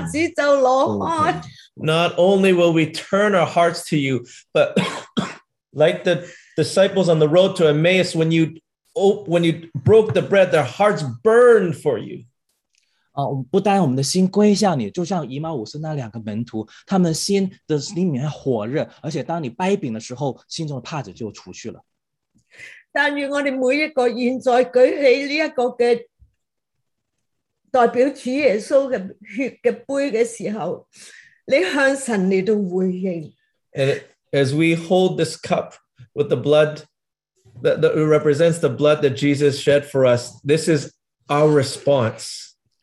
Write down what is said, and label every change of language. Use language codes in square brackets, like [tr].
[zh] 我们不单止心归向你，我们而且是那个以马五师那两个门徒，当他们抹饼的时候，他们的心的帕子就落开。 [en] Not only will we turn our hearts to you, but like the disciples on the road to Emmaus, when you broke the bread, their hearts burned for you. [zh] 不单我们的心归向你，就像以马五师那两个门徒，他们心的里面火热，而且当你掰饼的时候，心中的帕子就除去了。但愿我们每一个现在举起这个代表主耶稣的血的杯的时候，你向神来回应。 [en] As we hold this cup with the blood that represents the blood that Jesus shed for us, this is our response.